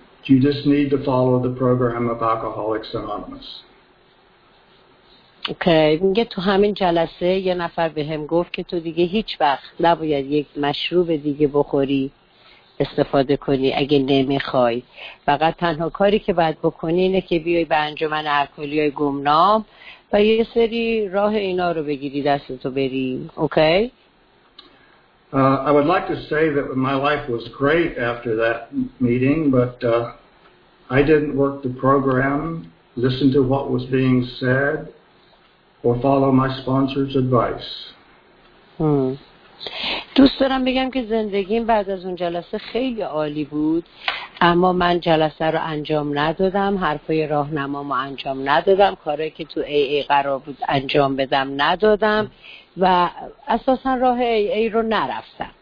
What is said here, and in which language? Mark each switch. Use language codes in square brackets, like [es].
[en] You just need to follow the program of Alcoholics Anonymous." Okay. [fa] میگه تو همین جلسه یه نفر بهم گفت که تو دیگه هیچ وقت نباید یک مشروب دیگه بخوری، استفاده کنی اگه نمیخوای. فقط تنها کاری که باید بکنی اینه که بیای به انجمن الکلی‌های گمنام و یه سری راه اینا رو بگیری دستتو بری. [en] Okay? I would like to say that my life was great after that meeting, but I didn't work the program, listen to what was being said, or follow my sponsor's advice. [fa] دوست دارم بگم که زندگیم بعد از اون جلسه خیلی عالی بود، اما من جلسه رو انجام ندادم، حرفای راهنمامو انجام ندادم، کاری که تو AA قرار بود انجام بدم ندادم و اساسا راه AA رو نرفتم.